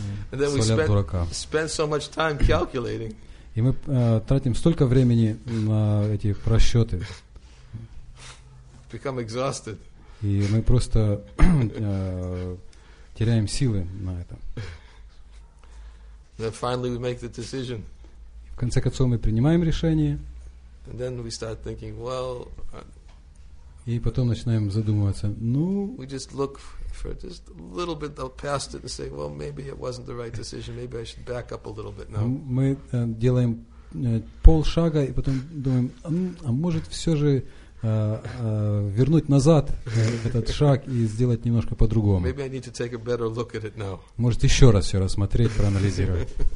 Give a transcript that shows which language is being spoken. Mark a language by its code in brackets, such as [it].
[en] And then we spend so much time calculating. [ru] И мы тратим столько времени на эти просчеты. [en] Become exhausted. [ru] И мы просто теряем силы на это. [en] Then finally we make the decision. [ru] В конце концов мы принимаем решение. [en] And then we start thinking, well. [ru] И потом начинаем задумываться. Ну. [en] We just look for just a little bit past it and say, well, maybe it wasn't the right decision. Maybe I should back up a little bit now. [ru] Мы делаем полшага и потом думаем, а может все же вернуть назад этот шаг и сделать немножко по-другому. [en] Maybe I need to take a better look at it now. [ru] Может еще раз все рассмотреть, проанализировать.